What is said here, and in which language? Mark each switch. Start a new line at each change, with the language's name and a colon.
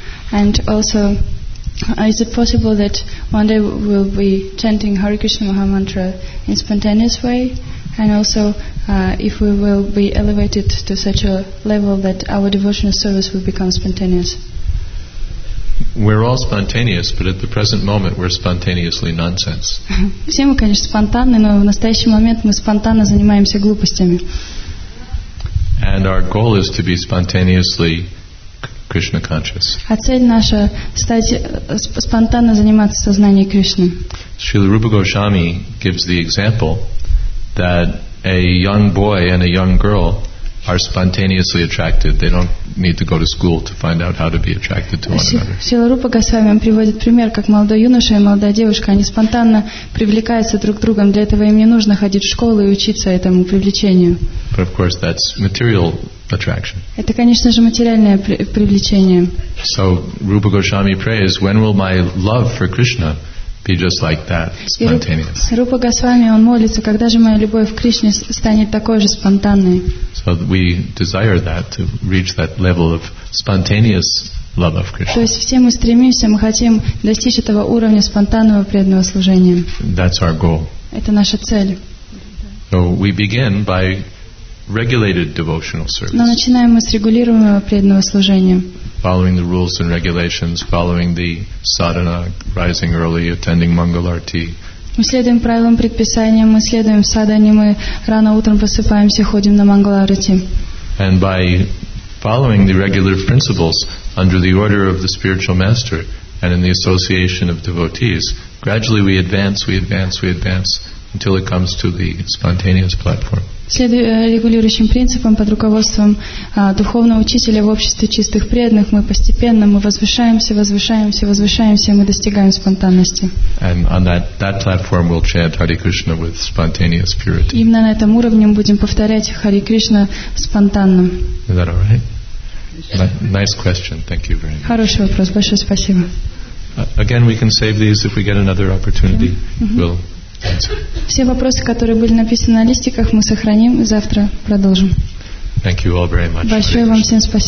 English: And also, is it possible that one day we'll be chanting Hare Krishna Maha Mantra in spontaneous way? And also, if we will be elevated to such a level that our devotional service will become spontaneous? We're all spontaneous, but at the present moment we're spontaneously nonsense.
Russian: Все мы, конечно, спонтанны, но в настоящий момент мы спонтанно занимаемся глупостями.
English: And our goal is to be spontaneously Krishna conscious.
Russian: А цель наша стать спонтанно заниматься сознанием Кришны.
English: Srila Rupa Goswami gives the example that a young boy and a young girl are spontaneously attracted. They don't need to go to school to find out how to be attracted to one another.
Russian: Srila Rupa Goswami приводит пример, как молодой юноша и молодая девушка, они спонтанно привлекаются друг к другу. Для этого им не нужно ходить в школу и учиться этому привлечению.
English: But of course that's material attraction.
Russian: Это, конечно же, материальное привлечение.
English: So Rupa Goswami prays, when will my love for Krishna be just like that, spontaneous?
Russian: Rupa Goswami, он молится, когда же моя любовь к Кришне станет такой же спонтанной?
English: So we desire that, to reach that level of spontaneous love of Krishna.
Russian: То есть все мы стремимся, мы хотим достичь этого уровня спонтанного преданного служения.
English: That's our goal.
Russian: Это наша цель.
English: So we begin by regulated devotional service.
Russian: Но начинаем мы с регулируемого преданного служения.
English: Following the rules and regulations, following the sadhana, rising early, attending Mangal Arti.
Russian: Мы следуем правилам предписания, мы следуем садхане, мы рано утром просыпаемся, ходим на Мангал Арти.
English: And by following the regular principles under the order of the spiritual master and in the association of devotees, gradually we advance, we advance, we advance until it comes to the spontaneous platform.
Russian: Следуя регулирующим принципам под руководством духовного учителя в обществе чистых преданных, мы постепенно, мы возвышаемся, возвышаемся, возвышаемся, мы достигаем спонтанности.
English: And on that platform we'll chant Hare Krishna with spontaneous purity.
Russian: Именно на этом уровне мы будем повторять Hare Krishna спонтанно.
English: Is that all right? Nice question. Thank you very much.
Russian: Хороший вопрос. Большое спасибо.
English: Again, we can save these if we get another opportunity. We'll...
Russian: Все вопросы, которые были написаны на листиках, мы сохраним и завтра продолжим.
English: Thank you all very much.
Russian: Большое вам всем спасибо.